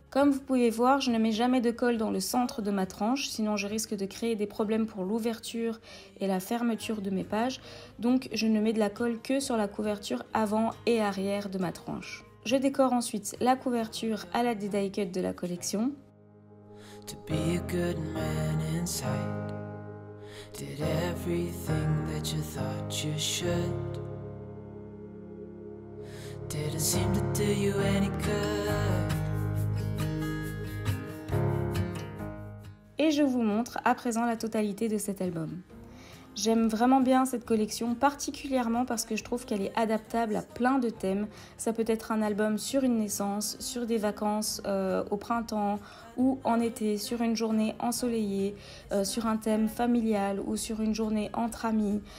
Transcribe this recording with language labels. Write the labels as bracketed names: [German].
[French] Comme vous pouvez voir, je ne mets jamais de colle dans le centre de ma tranche, sinon je risque de créer des problèmes pour l'ouverture et la fermeture de mes pages, donc je ne mets de la colle que sur la couverture avant et arrière de ma tranche. Je décore ensuite la couverture à l'aide des die cuts de la collection. [English] To be a good man in sight, did everything that you thought you should. Didn't seem to do you any good. [French] Et je vous montre à présent la totalité de cet album. J'aime vraiment bien cette collection, particulièrement parce que je trouve qu'elle est adaptable à plein de thèmes. Ça peut être un album sur une naissance, sur des vacances au printemps ou en été, sur une journée ensoleillée, sur un thème familial ou sur une journée entre amis.